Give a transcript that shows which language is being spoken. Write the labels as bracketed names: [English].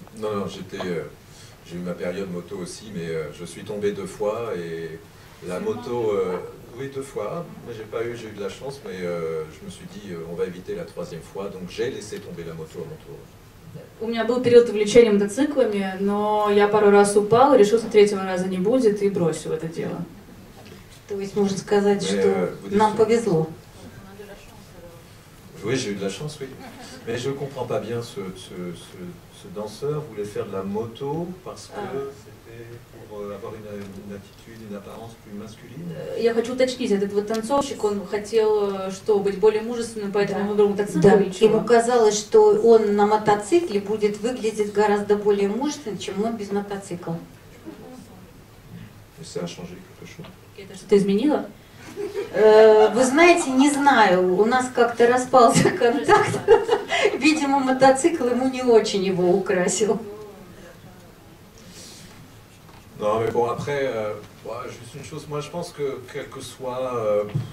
[French] Non, j'ai eu ma période moto aussi, mais je suis tombé deux fois et la moto. Oui, deux fois. Mais j'ai eu de la chance, mais je me suis dit on va éviter la troisième fois, donc j'ai laissé tomber la moto à mon tour. [Russian] У меня был период увлечения мотоциклами, но я пару раз упал, решил, что третьего раза не будет, и бросил это дело. То есть можно сказать, [French] mais [Russian] что нам повезло. [French] Oui, j'ai eu de la chance, oui. Mais je ne comprends pas bien ce danseur voulait faire de la moto parce que c'était pour avoir une attitude, une apparence plus masculine. [Russian] Я хочу уточнить, этот вот танцовщик, он хотел что, быть более мужественным, поэтому он выбрал мотоцикл? Да, ему казалось, что он на мотоцикле будет выглядеть гораздо более мужественным, чем он без мотоцикла. [French] Et ça a changé quelque chose. [Russian] Это что-то изменило? Вы знаете, не знаю, у нас как-то распался контакт. Видимо, мотоцикл ему не очень его украсил. [French] Non, mais bon, après, juste une chose, moi, je pense que, quel que soit...